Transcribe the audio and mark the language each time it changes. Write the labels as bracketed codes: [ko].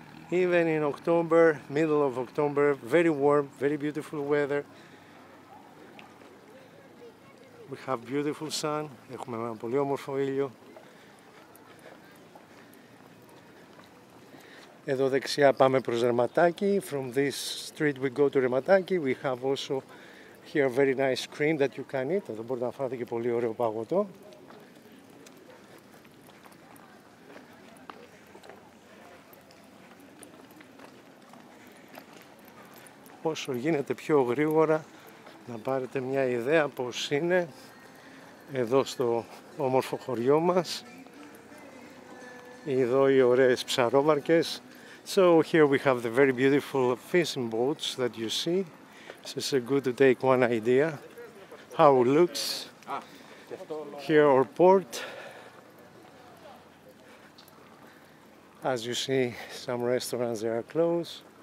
[en] Even in October, middle of October, very warm, very beautiful weather. We have beautiful sun. [el] Έχουμε ένα πολύ όμορφο ήλιο. Εδώ δεξιά πάμε προς Ρεματάκι. [en] From this street we go to Ρεματάκι. We have also here very nice cream that you can eat. [el] Εδώ μπορείτε να φάτε και πολύ ωραίο παγωτό. Όσο γίνεται πιο γρήγορα να πάρετε μια ιδέα πως είναι εδώ στο όμορφο χωριό μας. Εδώ οι ωραίες ψαρόβαρκες. [en] So here we have the very beautiful fishing boats that you see. So it's a good to take one idea how it looks. Here our port. As you see, some restaurants they are closed.